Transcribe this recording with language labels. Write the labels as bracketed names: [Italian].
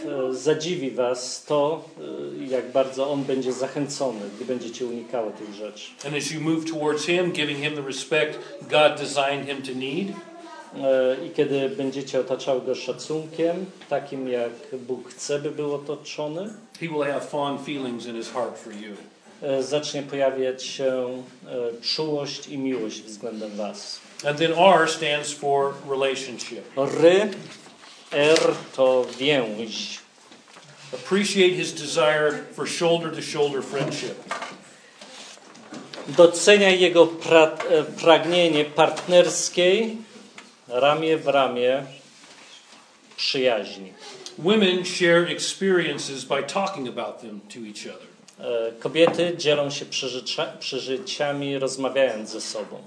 [Polish] Zadziwi was to, jak bardzo on będzie zachęcony, gdy będziecie unikały tych rzeczy. [English] And as you move towards him, giving him the respect God designed him to need. [Polish] I kiedy będziecie otaczały go szacunkiem, takim jak Bóg chce, by był otoczony, [English] he will have fond feelings in his heart for you. [Polish] Zacznie pojawiać się czułość i miłość względem was. [English] And then R stands for relationship. [Polish] R to więź. [English] Appreciate his desire for shoulder-to-shoulder friendship. [Polish] Doceniaj jego pragnienie partnerskiej, ramię w ramię, przyjaźni. [English] Women share experiences by talking about them to each other. [Polish] Kobiety dzielą się przeżyciami, rozmawiając ze sobą.